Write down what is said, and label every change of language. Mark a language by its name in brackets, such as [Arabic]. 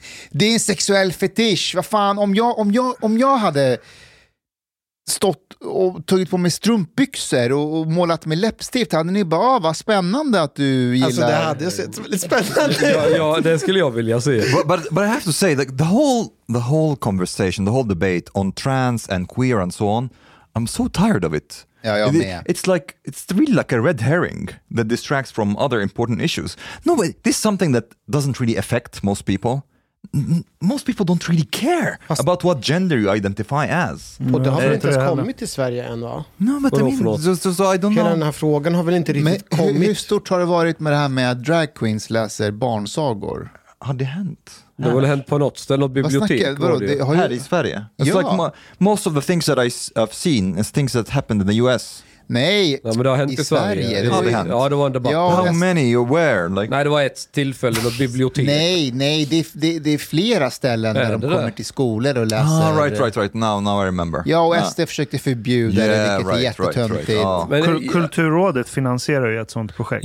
[Swedish] Det är en sexuell fetisch. Vad fan, om jag hade stått och tagit på mig strumpbyxor och målat med läppstift, hade ni bara, vad spännande att du gillar. Alltså det hade jag sett väldigt spännande. Ja, det skulle jag vilja se. [English] But I have to say that the whole conversation, the whole debate on trans and queer and so on, I'm so tired of it. [Swedish] Ja, jag med. [English] It's really like a red herring that distracts from other important issues. No, but this is something that doesn't really affect most people. Most people don't really care about what gender you identify as. Mm. [Swedish] Och det har väl inte ens kommit till Sverige än, va? [English] No, but I don't know. [Swedish] Hela den här frågan har väl inte riktigt kommit. Hur stort har det varit med det här med att drag queens läser barnsagor? Har det hänt? Det har väl hänt på något ställe, något bibliotek. Här i Sverige? [English] It's like most of the things that I've seen is things that happened in the US. [Swedish] Nej, ja, men det har hänt i Sverige. Det har hänt. Ja, det var en debatt. Ja, [English] how many or where? Like... [Swedish] Nej, det var ett tillfälle, något bibliotek. Nej, det är flera ställen där de kommer till skolor och läser. [English] Ah, right. Now I remember. [Swedish] Ja, och SD försökte förbjuda det, vilket är jättetöntigt. Kulturrådet finansierar ju ett sånt projekt.